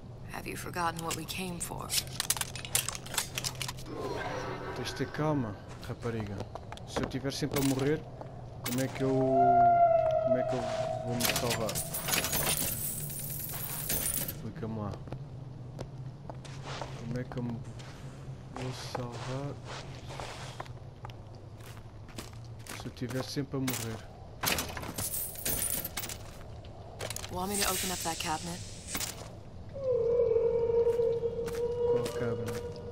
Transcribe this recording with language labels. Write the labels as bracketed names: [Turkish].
[English] Have you forgotten what we came for? [Portuguese] Tens de ter calma, rapariga. Se eu estiver sempre a morrer, como é que eu vou me salvar? Explica-me lá. Como é que eu me vou salvar? Se eu estiver sempre a morrer. [English] Want me to open up that cabinet? [Portuguese] Qual cabinet?